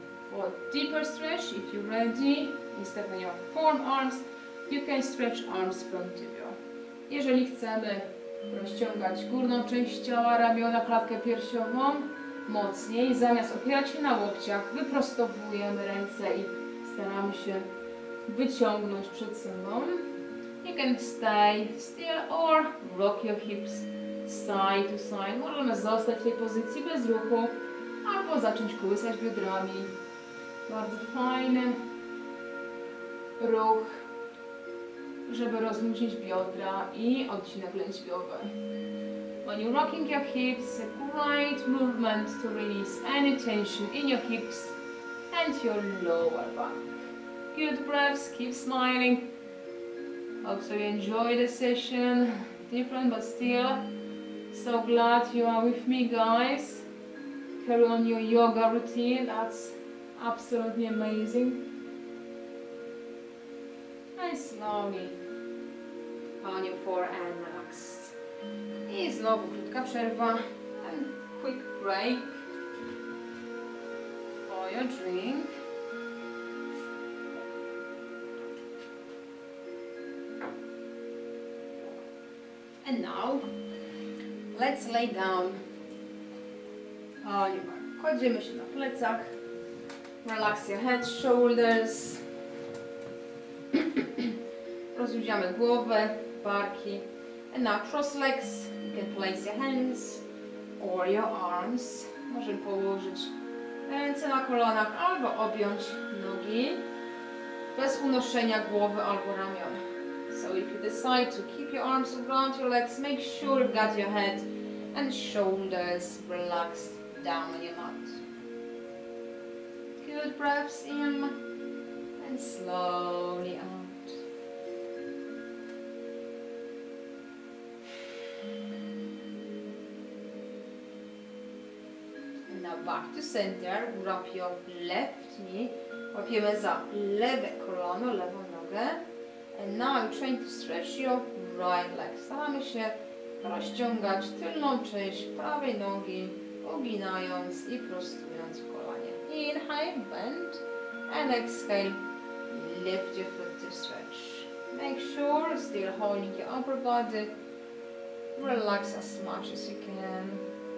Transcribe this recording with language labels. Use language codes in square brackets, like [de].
[en] For deeper stretch, if you're ready, instead of your forearm arms, you can stretch arms from tibia. [pl] Jeżeli chcemy rozciągać górną część ciała, ramiona, klatkę piersiową, mocniej, zamiast opierać się na łokciach, wyprostowujemy ręce i staramy się wyciągnąć przed sobą. [en] You can stay still or rock your hips side to side. [pl] Możemy zostać w tej pozycji bez ruchu albo zacząć kołysać biodrami. Bardzo fajny ruch, żeby rozluźnić biodra i odcinek lędźwiowy. [en] When you're rocking your hips, a great movement to release any tension in your hips and your lower back. Good breaths, keep smiling. Hope so you enjoy the session. Different, but still. So glad you are with me, guys. Carry on your yoga routine. That's absolutely amazing. And slowly on your four and relax. [pl] I znowu krótka przerwa. [en] And quick break for your drink. And now, let's lay down on your back. [pl] Kładziemy się na plecach. [en] Relax your head, shoulders. [pl] Rozluźniamy głowę, barki. [en] And now cross legs. You can place your hands or your arms. [pl] Możemy położyć ręce na kolanach albo objąć nogi. Bez unoszenia głowy albo ramion. [en] So if you decide to keep your arms around your legs, make sure you've got your head and shoulders relaxed down on your mat. Good breaths in and slowly out. And Now back to center, wrap your left knee. [pl] Łapiemy za lewe kolano, lewą nogę. [en] And now I'm trying to stretch your right leg. [pl] Staramy się rozciągać tylną część prawej nogi, uginając i prostując kolanie. [en] Inhale, bend. And exhale, lift your foot to stretch. Make sure still holding your upper body. Relax as much as you can.